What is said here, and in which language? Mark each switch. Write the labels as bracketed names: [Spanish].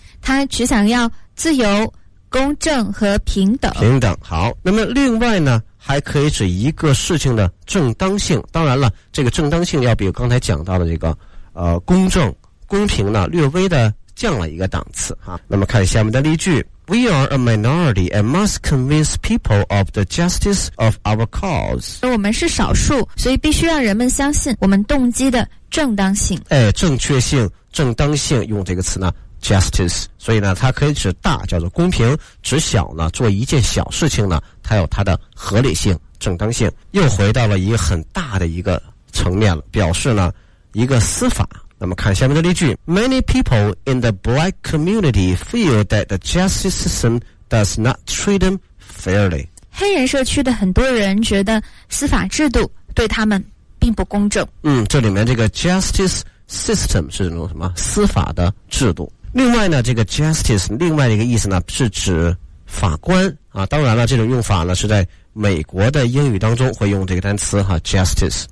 [Chinese] 他只想要自由、公正和平等。平等，好。那么另外呢，还可以指一个事情的正当性。当然了，这个正当性要比刚才讲到的这个公正、公平呢，略微的降了一个档次啊。那么看下面的例句。 [English] We are a minority and must convince people of the justice of our cause. [Chinese] 我们是少数，所以必须让人们相信我们动机的正当性。哎，正确性、正当性，用这个词呢 ，justice。所以呢，它可以指大，叫做公平；指小呢，做一件小事情呢，它有它的合理性、正当性。又回到了一个很大的一个层面了，表示呢一个司法。 [English] 那么看下面的例句，Many people in the black community feel that the justice system does not treat them fairly. [Chinese] 黑人社区的很多人觉得司法制度对他们并不公正。嗯，这里面这个 justice system 是那种什么司法的制度。另外呢，这个 justice 另外一个意思呢是指法官啊。当然了，这种用法呢是在美国的英语当中会用这个单词哈 ，justice。